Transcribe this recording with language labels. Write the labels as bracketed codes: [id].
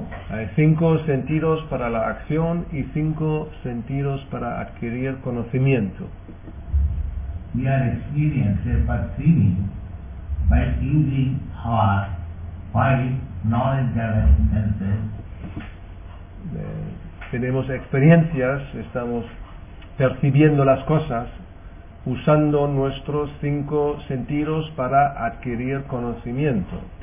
[es] hay 5 sentidos para la acción y 5 sentidos para adquirir conocimiento. [en] We are experiencing perceiving by using our 5 knowledge gathering senses. [es] Tenemos experiencias, estamos percibiendo las cosas usando nuestros 5 sentidos para adquirir conocimiento.